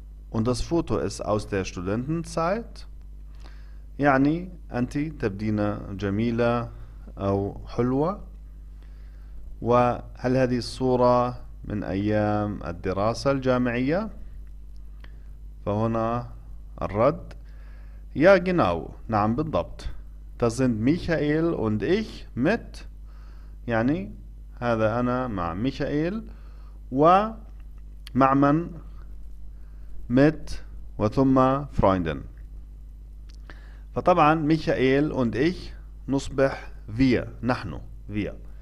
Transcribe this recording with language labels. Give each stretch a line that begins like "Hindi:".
German: Und das Foto ist aus der Studentenzeit.
Arabic: يعني أنت تبدين جميلة أو حلوة. وهل هذه الصورة من أيام الدراسة الجامعية؟ فهنا الرد.
German: Ja, genau.
Arabic: نعم بالضبط.
German: Das sind Michael und ich mit.
Arabic: يعني هذا أنا مع ميخائيل ومع من؟ mit وثم فرويندن. فطبعا ميخائيل
German: und ich
Arabic: نصبح wir، نحن wir.